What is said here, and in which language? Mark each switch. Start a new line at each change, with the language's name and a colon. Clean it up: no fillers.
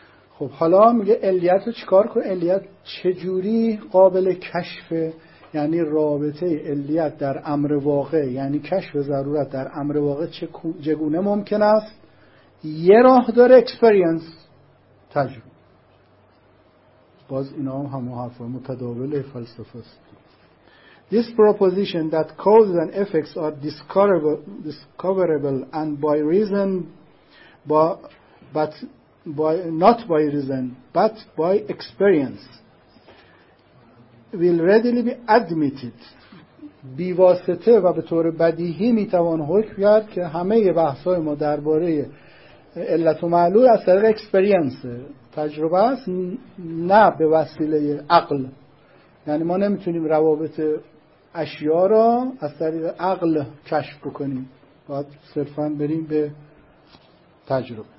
Persian: خب حالا میگه علیت رو چیکار کنه؟ علیت چجوری قابل کشفه؟ یعنی رابطه علیت در امر واقع، یعنی کشف ضرورت در امر واقع چگونه ممکن است؟ یه راه داره، اکسپریانس، تجربه. باز اینا هم همون حرف متداول فلسفه است.
English: This proposition that causes and effects are discoverable and by reason but by not by reason but by experience will readily be admitted.
Persian: بی واسطه و به طور بدیهی میتوان حکم کرد که همه بحث‌های ما درباره علت و معلول از طریق اکسپریانس، تجربه است، نه به وسیله عقل. یعنی ما نمیتونیم روابط اشیا را از طریق عقل کشف بکنیم، باید صرفا بریم به تجربه.